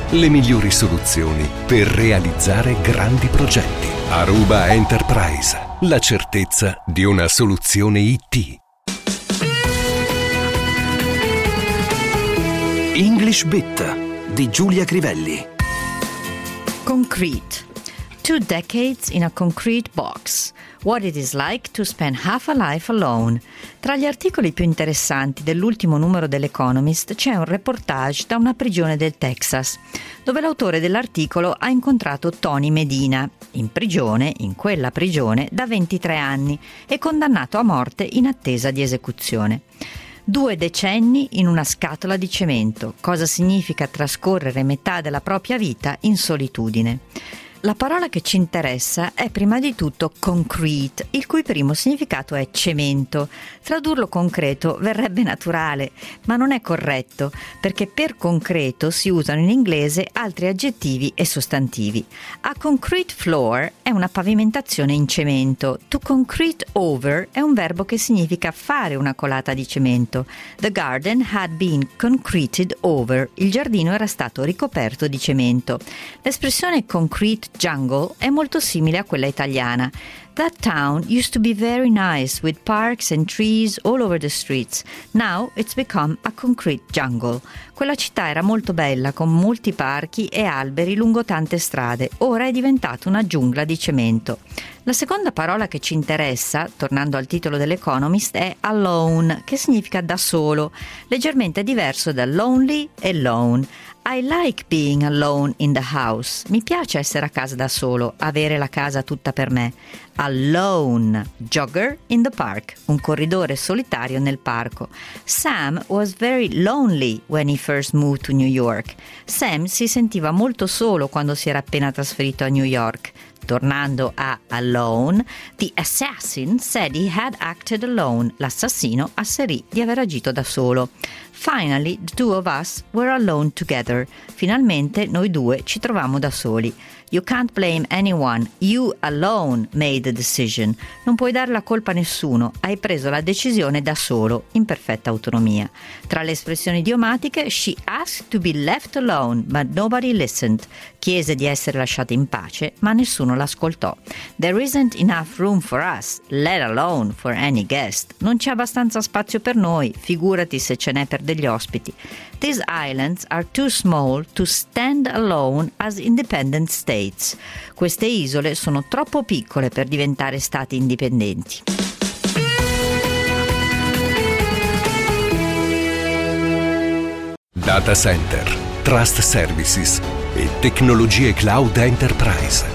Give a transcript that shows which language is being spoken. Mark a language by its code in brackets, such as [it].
[it] Le migliori soluzioni per realizzare grandi progetti. Aruba Enterprise, la certezza di una soluzione IT. English Bit di Giulia Crivelli. [en] Concrete. 2 decades in a concrete box. What it is like to spend half a life alone. [it] Tra gli articoli più interessanti dell'ultimo numero dell'Economist c'è un reportage da una prigione del Texas, dove l'autore dell'articolo ha incontrato Tony Medina, in quella prigione, da 23 anni e condannato a morte in attesa di esecuzione. 2 decenni in una scatola di cemento. Cosa significa trascorrere metà della propria vita in solitudine? La parola che ci interessa è prima di tutto concrete, il cui primo significato è cemento. Tradurlo concreto verrebbe naturale, ma non è corretto, perché per concreto si usano in inglese altri aggettivi e sostantivi. [en] A concrete floor [it] è una pavimentazione in cemento. [en] To concrete over [it] è un verbo che significa fare una colata di cemento. [en] The garden had been concreted over. [it] Il giardino era stato ricoperto di cemento. L'espressione concrete jungle è molto simile a quella italiana. [en] That town used to be very nice with parks and trees all over the streets. Now it's become a concrete jungle. [it] Quella città era molto bella con molti parchi e alberi lungo tante strade. Ora è diventata una giungla di cemento. La seconda parola che ci interessa, tornando al titolo dell'Economist, è alone, che significa da solo, leggermente diverso da lonely e lone. [en] I like being alone in the house. [it] Mi piace essere a casa da solo, avere la casa tutta per me. [en] Alone, jogger in the park, [it] un corridore solitario nel parco. [en] Sam was very lonely when he first moved to New York. [it] Sam si sentiva molto solo quando si era appena trasferito a New York. Tornando a [en] alone, the assassin said he had acted alone. [it] L'assassino asserì di aver agito da solo. [en] Finally, the two of us were alone together. [it] Finalmente noi due ci trovammo da soli. [en] You can't blame anyone. You alone made the decision. [it] Non puoi dare la colpa a nessuno. Hai preso la decisione da solo, in perfetta autonomia. Tra le espressioni idiomatiche, [en] she asked to be left alone, but nobody listened. [it] Chiese di essere lasciata in pace, ma nessuno l'ascoltò. [en] There isn't enough room for us, let alone for any guest. [it] Non c'è abbastanza spazio per noi, figurati se ce n'è per degli ospiti. [en] These islands are too small to stand alone as independent states. [it] Queste isole sono troppo piccole per diventare stati indipendenti. Data Center, Trust Services e tecnologie cloud enterprise.